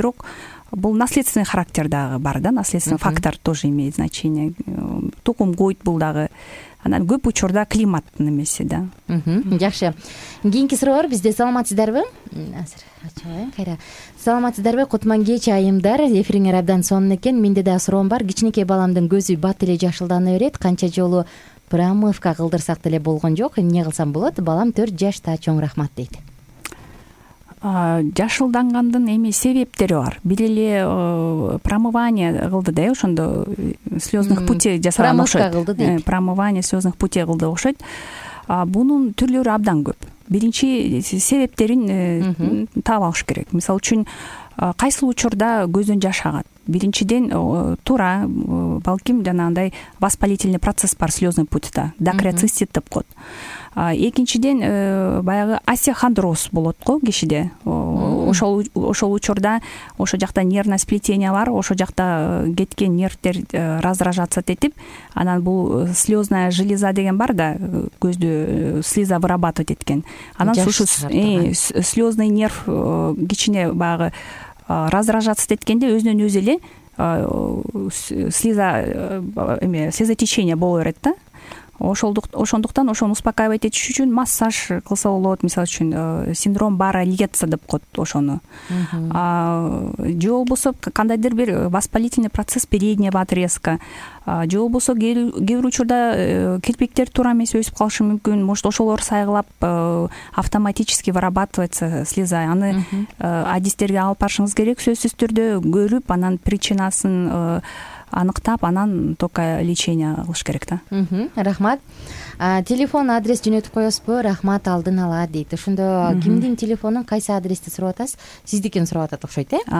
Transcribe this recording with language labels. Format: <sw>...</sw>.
<ky>Бирок бул</ky> <ru>наследственный характер</ru> <ky>дагы бар да,</ky> <ru>наследственный фактор тоже имеет значение.</ru> <ky>Тукум коют бул дагы, анан көп учурда климаттын эмеси да. Жакшы. Кийинки суроолор бизде. Саламатсыздарбы? Азыр ачайын кайра. Саламатсыздарбы, кутман кече айымдар. Эфириңер абдан сонун экен. Менде да суроом бар. Кичинекей баламдын көзү бат эле жашылдана берет. Канча жолу промывка кылдырсак деле болгон жок, эмне кылсам болот? Балам 4 жашта. Чоң рахмат дейт. Жашылдангандын эми себептери бар. Бир эле промывание кылды да, ошондо слезных путей жасаган окшойт. Промывание слезных путей кылды окшойт. Бунун түрлөрү абдан көп. Биринчи себептерин таап алыш керек. Мисалы үчүн кайсыл учурда көздөн жаш агат? биринчиден туура балким жанагындай воспалительный процесс бар слезный путьта дакрецистит деп коет. Экинчиден баягы асехондроз болот го кишиде. Ошол учурда ошо жакта</ky> <ru>нервное сплетение</ru> <ky>бар, ошо жакта кеткен нервдер раздражаться тетип, анан бул слезная железа деген бар да, көздө</ky> <ru>слеза вырабатывать</ru> <ky>эткен. Анан ушу слезный нерв кичине баягы раздражаться деткенде өзүнөн өзү эле слезотечение боло берет да. Ошондуктан ошону успокаивать этиш үчүн массаж кылса болот, мисалы үчүн синдром Баррелиетса деп коет ошону. Же болбосо кандайдыр бир воспалительный процесс передняя отрезка. Же болбосо кээ бир учурда кирпиктер туура эмес өсүп калышы мүмкүн.</ky> <ru>Может</ru> <ky>ошолор сайгылап</ky> <ru>автоматически вырабатывается слеза.</ru> <ky>Аны адистерге алып барышыңыз керек сөзсүз түрдө көрүп анан причинасын аныктап анан только лечение кылыш керек да. Рахмат. Телефон адрес жөнөтүп коесузбу? Рахмат алдын ала дейт. Ошондо кимдин телефонун кайсы адрести сурап атасыз? Сиздикин сурап атат окшойт, э?</ky>